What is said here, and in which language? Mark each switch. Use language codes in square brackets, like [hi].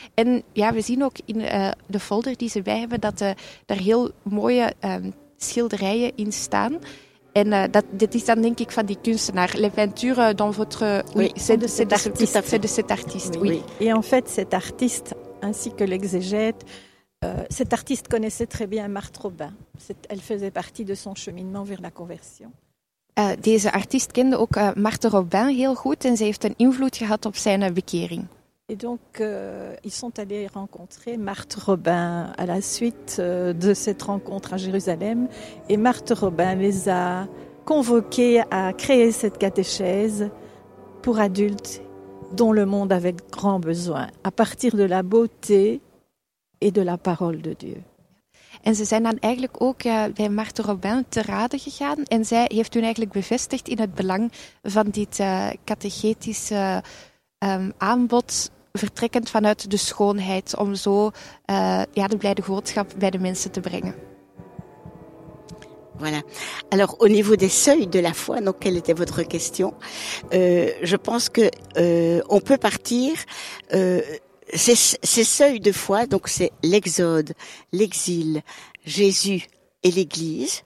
[nl] En ja, we zien ook in de folder die ze bij hebben dat er heel mooie schilderijen in staan. En dit is dan denk ik van die kunstenaar. [fr] Les peintures dans votre... C'est de cet artiste. Oui. Et en fait, cet artiste, ainsi que l'exégète, cet artiste connaissait très bien Marthe Robin. Elle faisait partie de son cheminement vers la conversion. [nl] Deze artiest kende ook Marthe Robin heel goed en ze heeft een invloed gehad op zijn bekering. [fr] Et donc, ils sont allés rencontrer Marthe Robin à la suite de cette rencontre à Jérusalem. Et Marthe Robin les a convoqués à créer cette catéchèse pour adultes dont le monde avait grand besoin, à partir de la beauté et de la parole de Dieu. [nl] En ze zijn dan eigenlijk ook bij Marthe Robin te raden gegaan. En zij heeft toen eigenlijk bevestigd in het belang van dit catechetische aanbod, vertrekkend vanuit de schoonheid, om zo de blijde boodschap bij de mensen te brengen. [fr] Voilà. Alors, au niveau des seuils de la foi, donc, quelle était votre question? Je pense que on peut partir... Ces seuils de foi, donc c'est l'exode, l'exil, Jésus et l'Église.